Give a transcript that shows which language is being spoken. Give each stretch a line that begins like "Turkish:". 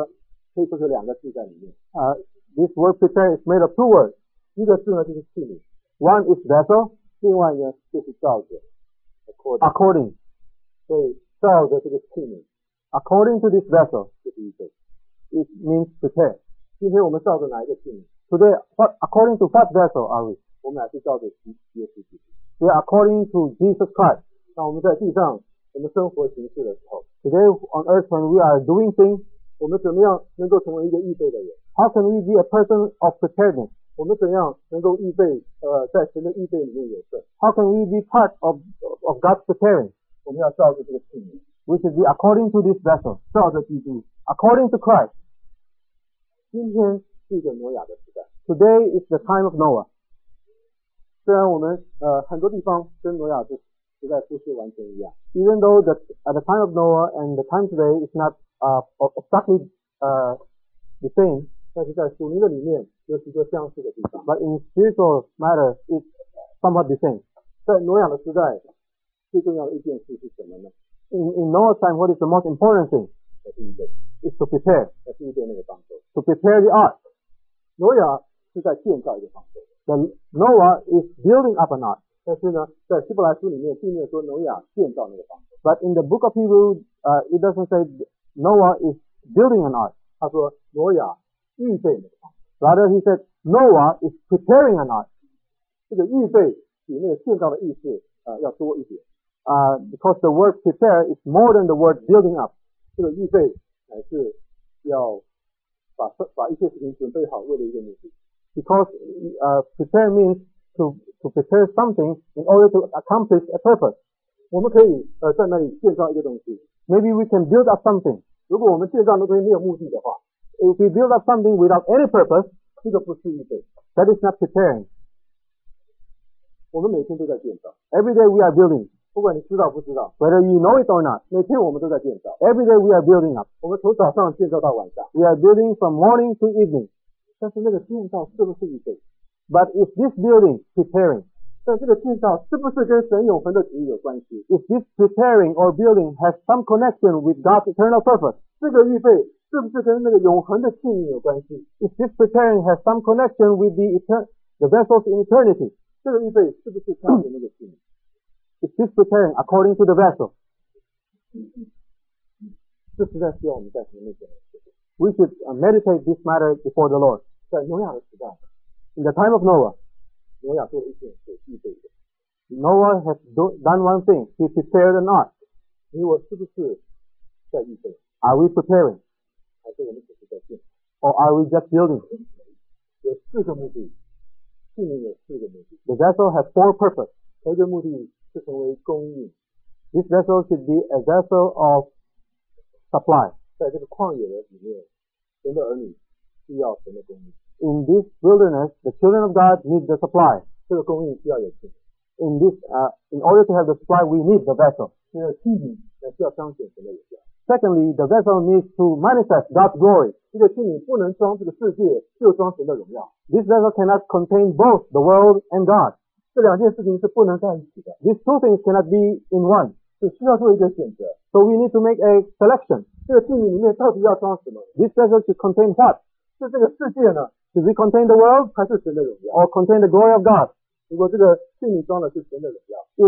Chinese: 你如果看的话，可以两个，可以说是两个字在里面。
English: This word prepare is made of two words.
Chinese: 一个字呢就是器皿,
English: one is vessel,
Chinese: 另外呢就是照着,
English: according. According.
Chinese: 所以照着这个器皿,
English: according to this vessel,
Chinese: 就是一个,
English: it means prepare.
Chinese: 今天我们照着哪一个器皿?
English: Today, according to what vessel are we?
Chinese: 我们还是照着耶稣基督。
English: We are according to Jesus Christ.
Chinese: 那我们在地上, 我们生活行事的时候,
English: today on earth when we are doing things,
Chinese: 我们怎么样能够成为一个预备的人?
English: How can we be a person of preparedness?
Chinese: 我们怎样能够预备, 在神的预备里面有份?
English: How can we be part of God's preparing?
Chinese: 我们要照着这个器皿。
English: we should be according to this vessel,
Chinese: 照着基督
English: according to Christ.
Chinese: 今天是一个挪亚的时代。
English: Today is the time of Noah.
Chinese: 虽然我们很多地方跟挪亚的时代不是完全一样。
English: Even though the, at the time of Noah and the time today is not exactly the same,
Chinese: 但是在属灵的里面有许多相似的地方。
English: But in spiritual matter, it's somewhat the same.
Chinese: 在挪亚的时代最重要的一件事是什么呢？
English: In Noah's time, what is the most important thing? Is to prepare.
Chinese: 要预备那个方舟。
English: To prepare the ark.
Chinese: Noah 是在建造一个方舟。
English: The Noah is building up an ark.
Chinese: 但是呢，在希伯来书里面并没有说 Noah 建造那个方舟。
English: But in the book of Hebrew, it doesn't say Noah is building an ark.
Chinese: 他说 Noah 预备那个方舟。
English: Rather, he said Noah is preparing an ark.
Chinese: 这个预备比那个建造的意思要多一点。
English: Because the word prepare is more than the word building up.
Chinese: 这个预备还是要 把一些事情准备好为了一个目的。
English: Because prepare means to prepare something in order to accomplish a purpose.
Chinese: 我们可以在那里建造一个东西。
English: Maybe we can build up something.
Chinese: 如果我们建造那东西没有目的的话，
English: if we build up something without any purpose,
Chinese: 这个不是预备。
English: That is not preparing.
Chinese: 我们每天都在建造。
English: Every day we are building.
Chinese: 不管你知道不知道
English: ，whether you know it or not，
Chinese: 每天我们都在建造。
English: Every day we are building up。
Chinese: 我们从早上建造到晚上。
English: We are building from morning to evening。
Chinese: 但是那个建造是不是预备
English: ？But is this building preparing？
Chinese: 但这个建造是不是跟神永恒的旨意有关系
English: ？Is this preparing or building has some connection with God's eternal purpose？
Chinese: 这个预备是不是跟那个永恒的庆宴有关系
English: ？Is this preparing has some connection with the vessels in eternity？
Chinese: 这个预备是不是参与那个庆宴？
English: Is this preparing according to the vessel?
Chinese: 这实在需要我们在神面前。
English: We should meditate this matter before the Lord.
Chinese: 在挪亚的时代
English: ，In the time of Noah,
Chinese: 挪亚做了一件事，预备的。
English: Noah has done one thing. He prepared an ark.
Chinese: 你我是不是在预备
English: ？Are we preparing?
Chinese: 还是我们只是在建
English: ？Or are we just building?
Chinese: 有四个目的，信念有四个目的。
English: The vessel has four purpose.
Chinese: 头一个目的。是成为供应。
English: This vessel should be a vessel of supply.
Chinese: 在这个旷野的里面，神的儿女需要神的供应。
English: In this wilderness, the children of God need the supply.
Chinese: 这个供应需要有信心。
English: In this, in order to have the supply, we need the vessel.
Chinese: 需要信心，也需要彰显神的荣耀。
English: Secondly, the vessel needs to manifest God's glory.
Chinese: 这个器皿不能装这个世界，就装神的荣耀。
English: This vessel cannot contain both the world and God.
Chinese: 这两件事情是不能在一起的。
English: These two things cannot be in one.
Chinese: 是需要做一个选择。
English: So we need to make a selection.
Chinese: 这个器皿里面到底要装什么
English: ？This vessel should contain what?
Chinese: 是这个世界呢
English: ？Should we contain the world?
Chinese: 还是神的荣耀
English: ？Or contain the glory of God?
Chinese: 如果这个器皿装的是神的荣耀